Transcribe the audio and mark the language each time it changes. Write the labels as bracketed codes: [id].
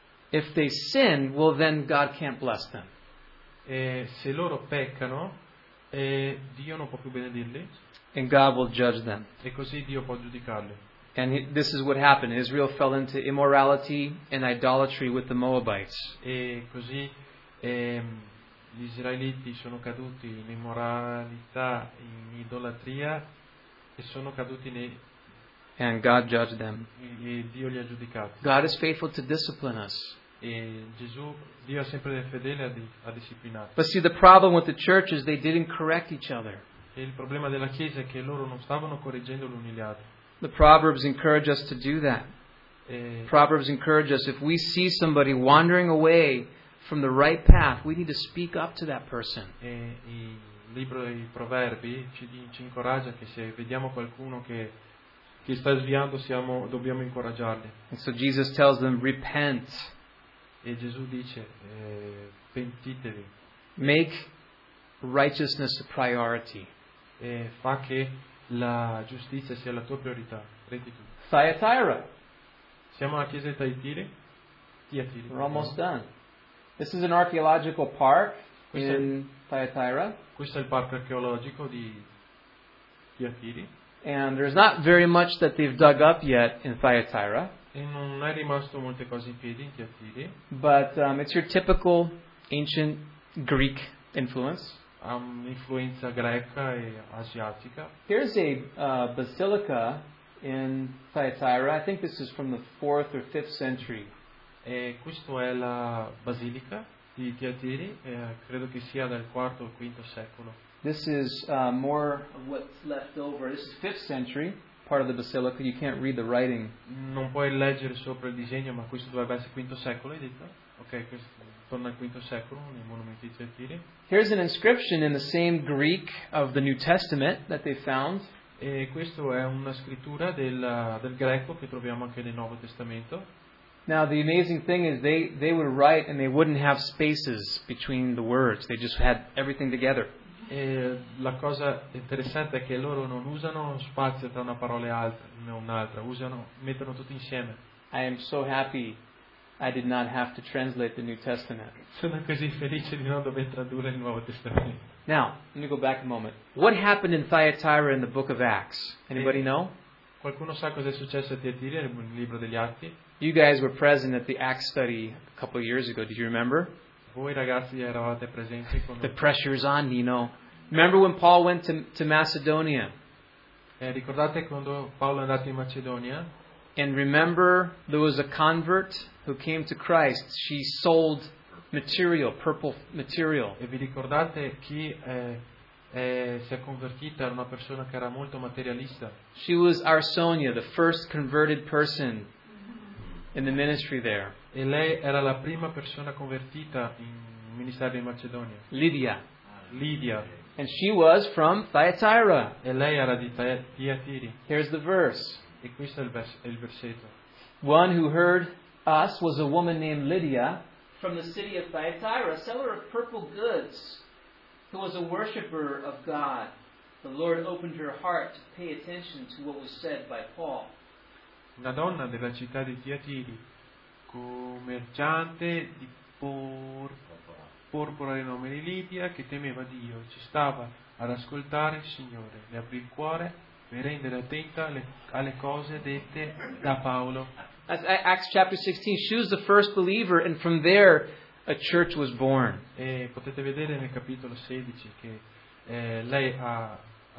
[en] if they sin, well then God can't bless them. [it] E se loro peccano, Dio non può più benedirli. [en] And God will judge them. [it] E così Dio può giudicarli. [en] And this is what happened. Israel fell into immorality and idolatry with the Moabites. [it] E così gli israeliti sono caduti in immoralità, in idolatria e sono caduti nei. [en] And God judged them. [it] E Dio li ha giudicati. [en] God is faithful to discipline us. [it] E Gesù, Dio è sempre fedele a disciplinarci. [en] But see, the problem with the church is they didn't correct each other. [it] E il problema della chiesa è che loro non stavano correggendo l'un gli altri. [en] The Proverbs encourage us to do that. Proverbs encourage us, if we see somebody wandering away from the right path, we need to speak up to that person. [it] E il libro dei Proverbi ci incoraggia che se vediamo qualcuno che sta sviando, dobbiamo incoraggiarli. [en] And so Jesus tells them, repent. [it] E Gesù dice, pentitevi. [en] Make righteousness a priority. [it] E fa che la giustizia sia la tua priorità. Rettitudine. [en] Thyatira. [it] Siamo alla chiesa di Thyatira. [en] We're almost done. This is an archaeological park in Thyatira. [it] Questo è il parco archeologico di Thyatira. [en] And there's not very much that they've dug up yet in Thyatira. [it] E non è rimasto molte cose in piedi in Thyatira. [en] But it's your typical ancient Greek influence. [it] Influenza greca e asiatica. [en] Here's a basilica in Thyatira. I think this is from the 4th or 5th century. [it] E questo è la basilica di Thyatira, credo che sia dal 4 o 5 secolo. [en] This is more of what's left over. This is 5th century part of the basilica. You can't read the writing. [it] Non puoi leggere sopra il disegno, ma questo dovrebbe essere 5 secolo, hai detto? Ok, questo torna al 5 secolo nei monumenti di Thyatira. [en] Here's an inscription in the same Greek of the New Testament that they found. [it] E questo è una scrittura del greco che troviamo anche nel Nuovo Testamento. [en] Now the amazing thing is they would write and they wouldn't have spaces between the words. They just had everything together. [it] E la cosa interessante è che loro non usano spazio tra una parola e altra, un'altra, mettono tutto insieme. [en] I am so happy I did not have to translate the New Testament. [it] Sono così felice di non dover tradurre il Nuovo Testamento. [en] Now, let me go back a moment. What happened in Thyatira in the book of Acts? Anybody know? [it] Qualcuno sa cosa è successo a Thyatira nel libro degli Atti? [en] You guys were present at the Acts study a couple of years ago, did you remember? [it] Voi ragazzi eravate presenti con. [en] The pressure is on, you know. Remember when Paul went to Macedonia? [it] Ricordate quando Paolo è andato in Macedonia? [en] And remember there was a convert who came to Christ. She sold material, purple material. [it] E vi ricordate chi si è convertita? Era una persona che era molto materialista. [en] She was Arsonia, the first converted person in the ministry there. [it] E lei era la prima persona convertita in ministero in Macedonia. [en] Lydia. And she was from Thyatira. [it] E lei era di Thyatira. [en] Here's the verse. [it] E questo è il versetto. [en] One who heard us was a woman named Lydia from the city of Thyatira, a seller of purple goods, who was a worshipper of God. The Lord opened her heart to pay attention to what was said by Paul. [it] Una donna della città di Thyatira, commerciante di porpora di nome di Lidia, che temeva Dio, ci stava ad ascoltare il Signore, le aprì il cuore per rendere attenta alle cose dette da Paolo. [en] Acts chapter 16, she was the first believer and from there a church was born. [it] E potete vedere nel capitolo 16 che lei ha.